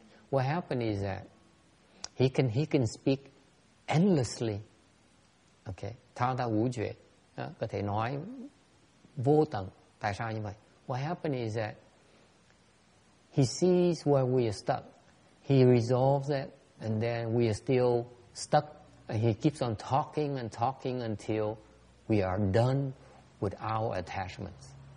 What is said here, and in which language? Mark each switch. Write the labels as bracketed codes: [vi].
[en] What happened is that he can speak endlessly. [vi] Okay, thao thao vũ trụ có thể nói vô tận. Tại sao như vậy? [en] What happened is that he sees where we are stuck. He resolves it. And then we are still stuck. And he keeps on talking and talking until we are done with our attachments.